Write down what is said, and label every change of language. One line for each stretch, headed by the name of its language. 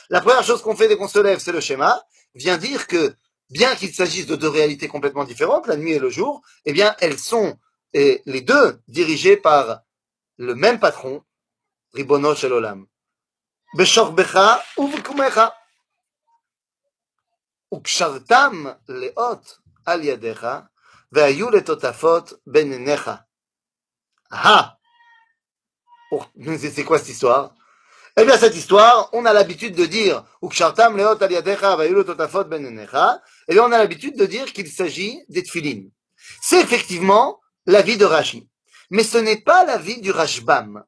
French: La première chose qu'on fait dès qu'on se lève, c'est le schéma, vient dire que, bien qu'il s'agisse de deux réalités complètement différentes, la nuit et le jour, eh bien, elles sont les deux dirigées par le même patron, Ribono shel Olam.
Hebrew: Beshor Becha ou Vukumecha. וקשרתם לאות על ידיך, והיו לתותפות בין עיניך.
French: C'est quoi cette histoire? Eh bien, cette histoire, on a l'habitude de dire,
Hebrew: וקשרתם לאות על ידיך, והיו לתותפות בין עיניך,
French: et bien, on a l'habitude de dire qu'il s'agit des tfilin. C'est effectivement la vie de Rashi. Mais ce n'est pas la vie du Rashbam.